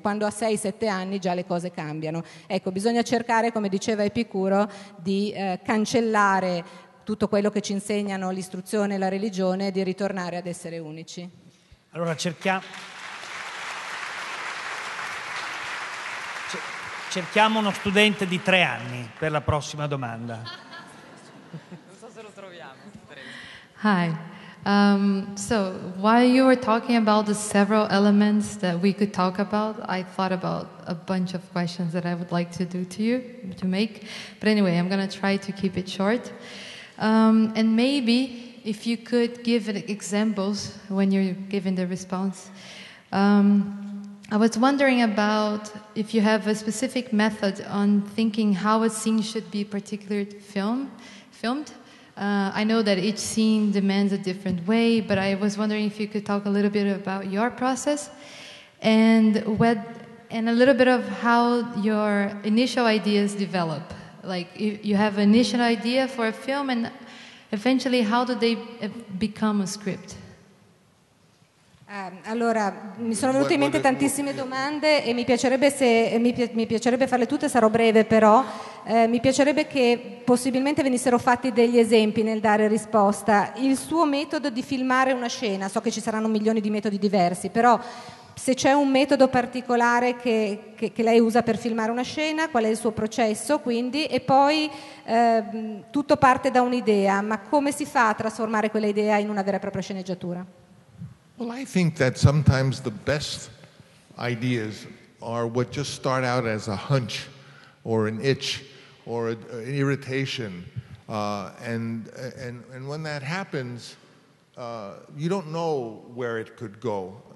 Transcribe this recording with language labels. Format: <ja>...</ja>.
<it>Quando ha 6-7 anni già le cose cambiano. Ecco, bisogna cercare, come diceva Epicuro, di cancellare tutto quello che ci insegnano l'istruzione e la religione e di ritornare ad essere unici. Allora cerchiamo uno studente di 3 anni per la prossima domanda. Non so se lo troviamo.</it> <en>Hi. So while you were talking about the several elements that we could talk about, I thought about a bunch of questions that I would like to do to you, to make. But anyway, I'm going to try to keep it short. And maybe if you could give examples when you're giving the response. I was wondering about if you have a specific method on thinking how a scene should be particularly filmed. I know that each scene demands a different way, but I was wondering if you could talk a little bit about your process and a little bit of how your initial ideas develop. Like, you have an initial idea for a film, and eventually how do they become a script?</en> <it>Allora, mi sono venute in mente tantissime domande e mi piacerebbe farle tutte, sarò breve però, mi piacerebbe che possibilmente venissero fatti degli esempi nel dare risposta. Il suo metodo di filmare una scena, so che ci saranno milioni di metodi diversi, però se c'è un metodo particolare che lei usa per filmare una scena, qual è il suo processo, quindi, e poi tutto parte da un'idea, ma come si fa a trasformare quell'idea in una vera e propria sceneggiatura?</it> <en>Well, I think that sometimes the best ideas are what just start out as a hunch or an itch or an irritation. And when that happens, you don't know where it could go.</en>